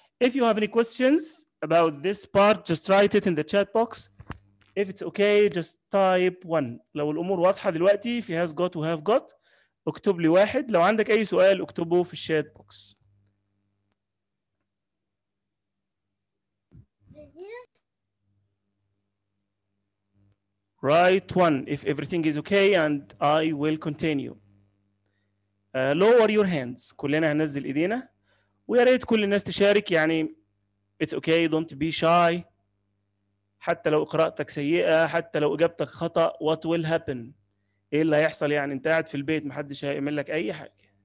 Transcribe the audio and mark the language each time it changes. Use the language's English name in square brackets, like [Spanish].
[English] If you have any questions about this part, just write it in the chat box. If it's okay, just type 1. [Arabic] لو الأمور واضحة دلوقتي في has got و have got, اكتب لي 1. لو عندك أي سؤال اكتبه في الشات بوكس. [English] Write 1 if everything is okay and I will continue. Lower your hands. [Arabic] كلنا هننزل إيدينا. ويا ريت كل الناس تشارك يعني [English] it's okay don't be shy [Arabic] حتى لو قراءتك سيئة حتى لو إجابتك خطأ [English] what will happen [Arabic] إيه اللي هيحصل يعني أنت قاعد في البيت محدش هيعمل لك أي حاجة